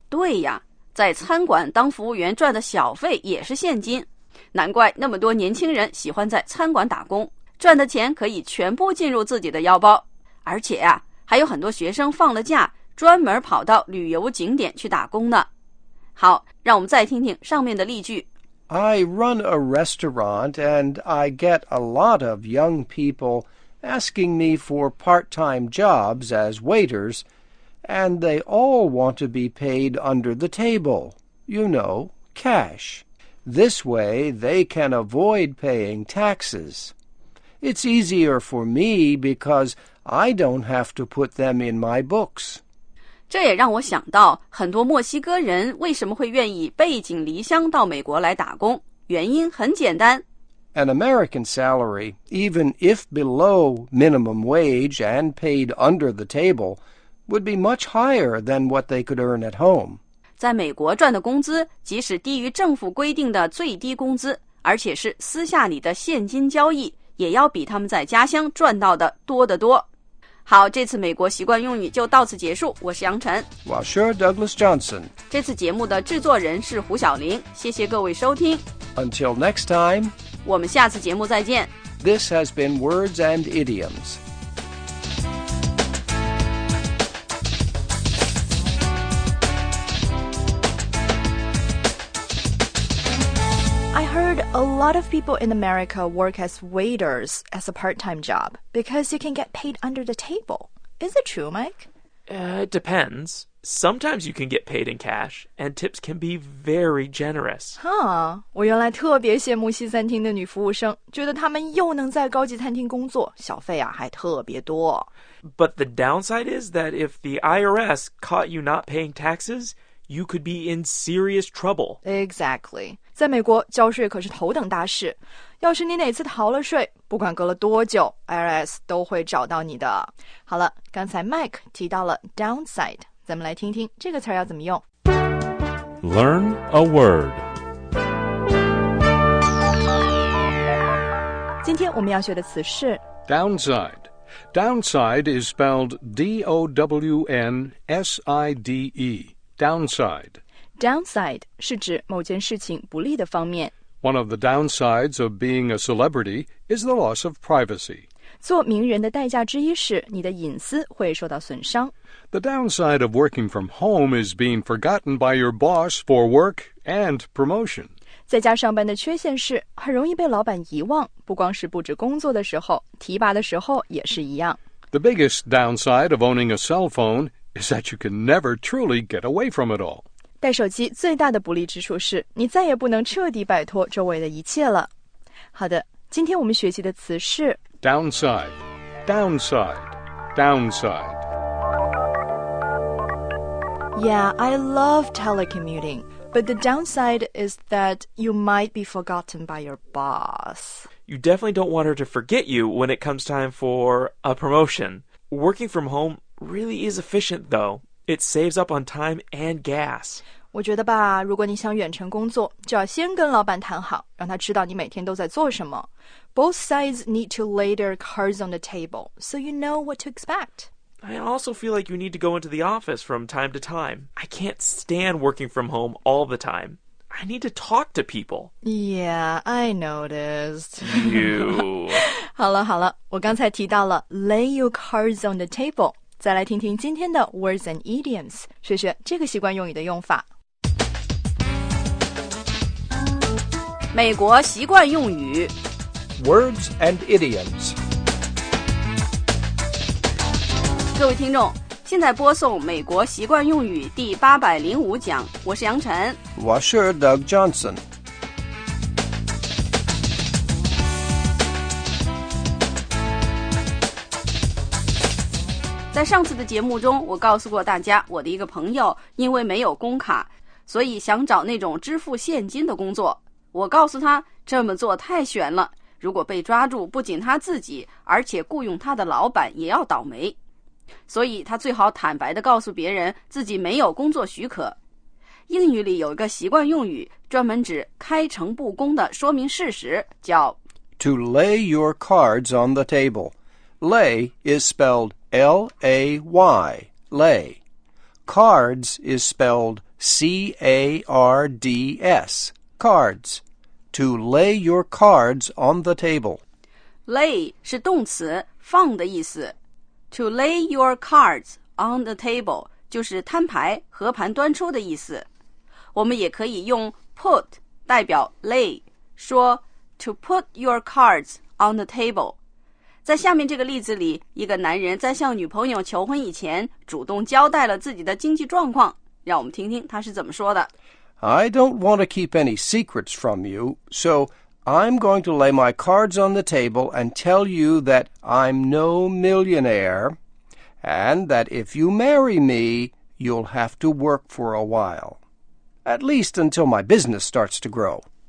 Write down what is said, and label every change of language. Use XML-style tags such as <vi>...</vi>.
<zh>对呀，在餐馆当服务员赚的小费也是现金，难怪那么多年轻人喜欢在餐馆打工，赚的钱可以全部进入自己的腰包。而且呀，还有很多学生放了假专门跑到旅游景点去打工呢。好，让我们再听听上面的例句。</zh> <en>I run a restaurant and I get a lot of young people asking me for part-time jobs as waiters, and they all want to be paid under the table, you know, cash. This way, they can avoid paying taxes. It's easier for me because I don't have to put them in my books.</en> <zh>这也让我想到很多墨西哥人为什么会愿意背井离乡到美国来打工，原因很简单。</zh> <en>An American salary, even if below minimum wage and paid under the table, would be much higher than what they could earn at home.</en> <zh>在美国赚的工资，即使低于政府规定的最低工资，而且是私下里的现金交易，也要比他们在家乡赚到的多得多。好，这次美国习惯用语就到此结束。我是杨晨。</zh> <en>Well, sure, Douglas Johnson.</en> <zh>这次节目的制作人是胡晓玲。谢谢各位收听。</zh> <en>Until next time.</en> <zh>我们下次节目再见。</zh> <en>This has been Words and Idioms. I heard a lot of people in America work as waiters as a part-time job because you can get paid under the table. Is it true, Mike? It depends. Sometimes you can get paid in cash, and tips can be very generous.</en> <zh>Huh, 我原来特别羡慕西餐厅的女服务生，觉得她们又能在高级餐厅工作，小费啊还特别多。</zh> <en>But the downside is that if the IRS caught you not paying taxes, you could be in serious trouble. Exactly.</en> <zh>在美国交税可是头等大事，要是你哪次逃了税，不管隔了多久 ,IRS 都会找到你的。好了，刚才 Mike 提到了 downside。咱们来听听这个词要怎么用。</zh> <en>Learn a word.</en> <zh>今天我们要学的词是</zh> <en>downside. Downside is spelled D-O-W-N-S-I-D-E. Downside.</en> <zh>Downside 是指某件事情不利的方面。</zh> <en>One of the downsides of being a celebrity is the loss of privacy.</en> <zh>做名人的代价之一是你的隐私会受到损伤。</zh> <en>The downside of working from home is being forgotten by your boss for work and promotion.</en> <zh>在家上班的缺陷是很容易被老板遗忘，不光是布置工作的时候，提拔的时候也是一样。</zh> <en>The biggest downside of owning a cell phone is that you can never truly get away from it all.</en> <zh>带手机最大的不利之处是你再也不能彻底摆脱周围的一切了。好的，今天我们学习的词是</zh> <en>downside, downside, downside. Yeah, I love telecommuting, but the downside is that you might be forgotten by your boss. You definitely don't want her to forget you when it comes time for a promotion. Working from home really is efficient, though. It saves up on time and gas.</en> <zh>我觉得吧，如果你想远程工作，就要先跟老板谈好，让他知道你每天都在做什么。</zh> <en>Both sides need to lay their cards on the table, so you know what to expect. I also feel like you need to go into the office from time to time. I can't stand working from home all the time. I need to talk to people. Yeah, I noticed. You.</en> <zh>好了好了，我刚才提到了</zh> <en>lay your cards on the table.</en> <zh>再来听听今天的 Words and Idioms, 学学这个习惯用语的用法。美国习惯用语</zh> <en>Words and Idioms。</en> <zh>各位听众，现在播送美国习惯用语第805讲，我是杨晨，我是 Doug Johnson。在上次的节目中，我告诉过大家，我的一个朋友因为没有工卡，所以想找那种支付现金的工作。我告诉他，这么做太悬了，如果被抓住，不仅他自己，而且雇佣他的老板也要倒霉。所以他最好坦白地告诉别人自己没有工作许可。英语里有一个习惯用语，专门指开诚布公地说明事实，叫</zh> <en>To lay your cards on the table. Lay is spelled L-A-Y, lay. Cards is spelled C-A-R-D-S, cards. To lay your cards on the table.</en> <zh>Lay 是动词放的意思。</zh> <en>To lay your cards on the table</en> <zh>就是摊牌和盘端出的意思。我们也可以用 put 代表 lay, 说</zh> <en>to put your cards on the table.</en> <zh>在下面这个例子里，一个男人在向女朋友求婚以前主动交代了自己的经济状况，让我们听听他是怎么说的。</zh> <en>I don't want to keep any secrets from you, so I'm going to lay my cards on the table and tell you that I'm no millionaire, and that if you marry me, you'll have to work for a while, at least until my business starts to grow.</en>